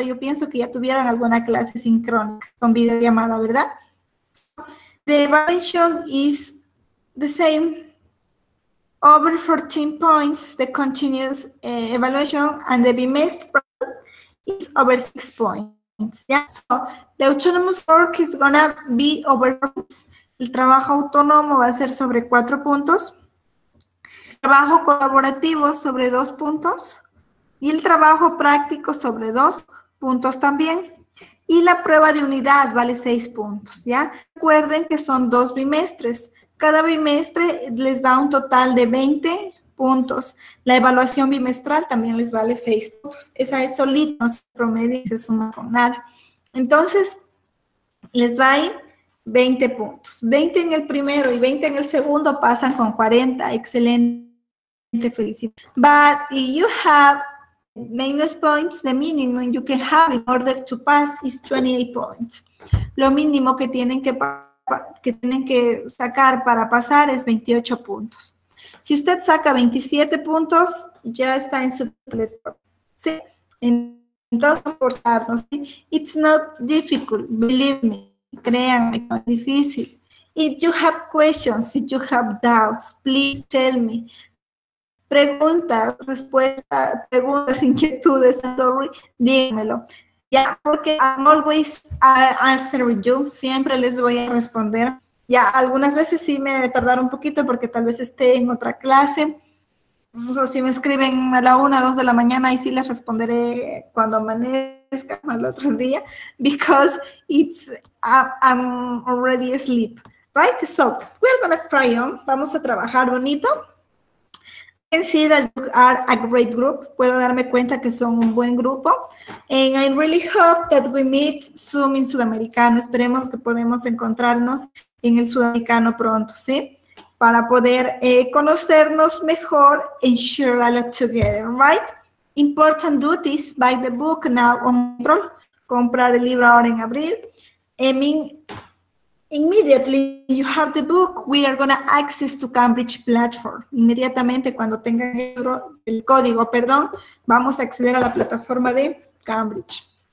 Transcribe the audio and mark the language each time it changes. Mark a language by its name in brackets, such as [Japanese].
[Spanish] Yo pienso que ya tuvieran alguna clase sincrónica con videollamada, ¿verdad? [English] The evaluation is the same. Over 14 points, the continuous evaluation and the bimestral. It's over 6 points. Yeah. So the autonomous work is gonna be over. [Spanish] El trabajo autónomo va a ser sobre 4 puntos. Trabajo colaborativo sobre 2 puntos. Y el trabajo práctico sobre 2 puntos también. Y la prueba de unidad vale 6 puntos. Ya. Recuerden que son 2 bimestres. Cada bimestre les da un total de 20 puntos. La evaluación bimestral también les vale 6 puntos. Esa es solita, no se promedia y se suma con nada. Entonces, les va a ir 20 puntos. 20 en el primero y 20 en el segundo pasan con 40. Excelente, felicito. [English] But if you have minus points, the minimum you can have in order to pass is 28 points. [Spanish] Lo mínimo que tienen que sacar para pasar es 28 puntos. Si usted saca 27 puntos, ya está en su completo. Sí, Entonces, forzarnos. ¿Sí? [English] It's not difficult, believe me. [Spanish] Créanme, no es difícil. [English] If you have questions, if you have doubts, please tell me. [Spanish] Preguntas, respuestas, preguntas, inquietudes, sorry, dímelo. Ya, yeah, porque [English] I'm always answer you, [Spanish] siempre les voy a responder. Ya, yeah, algunas veces sí me tardaron un poquito porque tal vez esté en otra clase. O si me escriben a la 1 o 2 de la mañana, y sí les responderé cuando amanezca al otro día, [English] because it's I'm already asleep, right? So, we're going to try on, [Spanish] vamos a trabajar bonito. [English] I can see that you are a great group. [Spanish] Puedo darme cuenta que son un buen grupo. [English] And I really hope that we meet soon in Sudamericano. [Spanish] Esperemos que podamos encontrarnos en el Sudamericano pronto, ¿sí? Para poder conocernos mejor [English] and share a lot together, right? Important duties, buy the book now on April. [Spanish] Comprar el libro ahora en abril. [English] I mean, immediately you have the book, we are going to access to Cambridge platform. [Spanish] Inmediatamente cuando tenga el código, perdón, vamos a acceder a la plataforma de Cambridge.